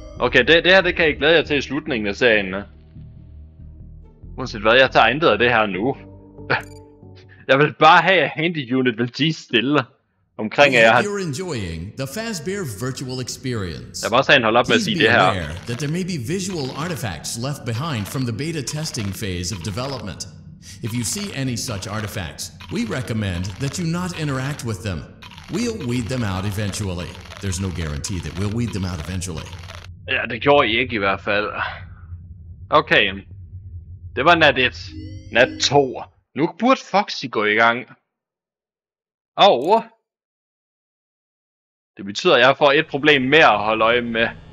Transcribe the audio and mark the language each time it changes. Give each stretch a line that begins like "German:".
Danish: Okay, det her, det kan I glæde jer til i slutningen af serien. Uanset hvad, jeg tager intet af det her nu. Jeg vil bare have, at Handy Unit vil tige stille. Omkring at jeg har... Jeg vil også have en hold op med at sige det her.
English: That there may be visual artifacts left behind from the beta testing phase of development. If you see any such artifacts, we recommend that you not interact with them. We'll weed them out eventually. There's no guarantee that we'll weed them out eventually.
Danish: Ja, det gjorde I ikke i hvert fald. Okay. Det var nat 1. Nat 2. Nu burde Foxy gå i gang. Og... det betyder, at jeg får et problem mere at holde øje med.